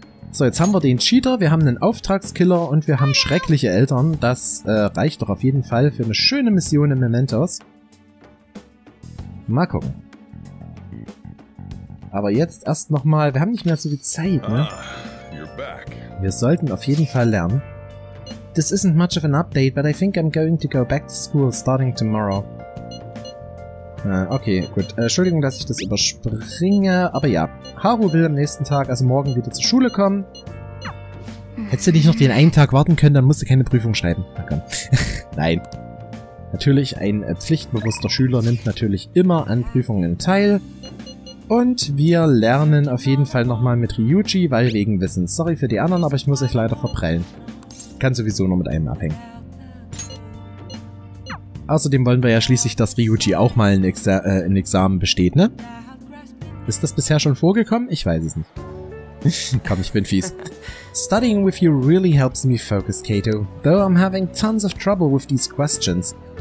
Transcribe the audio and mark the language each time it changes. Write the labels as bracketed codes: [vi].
[de] So, jetzt haben wir den Cheater, wir haben einen Auftragskiller und wir haben schreckliche Eltern. Das reicht doch auf jeden Fall für eine schöne Mission im Mementos. Mal gucken. Aber jetzt erst nochmal. Wir haben nicht mehr so viel Zeit, ne? Wir sollten auf jeden Fall lernen. [en] This isn't much of an update, but I think I'm going to go back to school starting tomorrow. [de] Okay, gut. Entschuldigung, dass ich das überspringe. Aber ja, Haru will am nächsten Tag, also morgen, wieder zur Schule kommen. Hättest du nicht noch den einen Tag warten können, dann musst du keine Prüfung schreiben. Na komm. Nein. Natürlich, ein pflichtbewusster Schüler nimmt natürlich immer an Prüfungen teil. Und wir lernen auf jeden Fall nochmal mit Ryuji, weil wegen Wissen. Sorry für die anderen, aber ich muss euch leider verprellen. Kann sowieso nur mit einem abhängen. Außerdem wollen wir ja schließlich, dass Ryuji auch mal ein Examen besteht, ne? Ist das bisher schon vorgekommen? Ich weiß es nicht. Komm, ich bin fies. [en] Studying with you really helps me focus, Kato. Though I'm having tons of trouble with these questions.